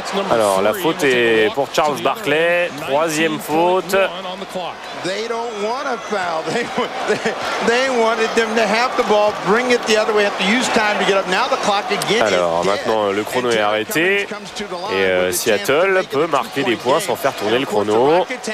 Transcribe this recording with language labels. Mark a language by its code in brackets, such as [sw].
[fr] Alors, la faute est pour Charles Barkley. Troisième faute. [en] They don't want a foul. They wanted them to have the ball, bring it the other way, have to use time to get up. Now the clock again. [fr] Alors maintenant le chrono est arrêté et Seattle peut marquer des points sans faire tourner le chrono.